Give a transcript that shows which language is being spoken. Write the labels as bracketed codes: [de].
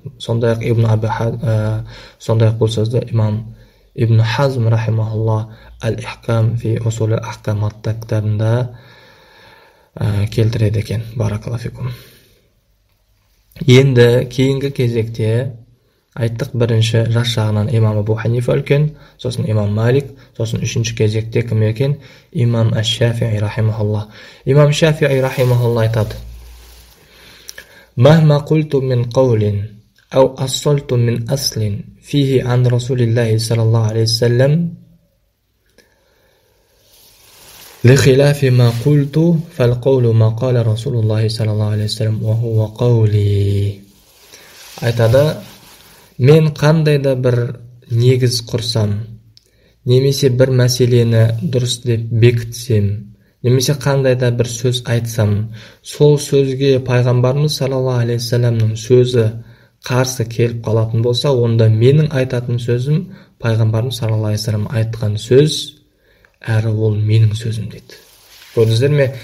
[kk] Сондай-ақ Ибн Аби сондай-ақ бұл сөзді Имам Ибн Хазм рахимахуллах Аль-Ихкам фи усул аль-ахкам атты кітабында келтіреді екен. Баракаллаһу фикум. Енді кейінгі кезекте айттық, бірінші жас жағынан Имам Абу Ханифа үлкен, сосын Имам Малик, сосын үшінші кезекте кім екен? Имам Аш-Шафии рахимахуллах. Имам Шафии рахимахуллах айтады: [ar] مهما قلت من قول أو أصلت من أصل فيه عن رسول الله صلى الله عليه وسلم لخلاف ما قلت فالقول ما قال رسول الله صلى الله عليه وسلم وهو قولي. [kk] айтады, мен қандай да бір негіз құрсам, немесе бір мәселені дұрыс деп бекітсем, немесе қандай да бір сөз айтсам, сол сөзге пайғамбарымыз саллаллаһу алейхи уассаламның сөзі қарсы келіп қалатын болса, онда менің айтатын сөзім пайғамбарымыз саллаллаһу алейхи уассалам айтқан сөз, әрі ол менің сөзім дейді. Көрдіңіздер ме?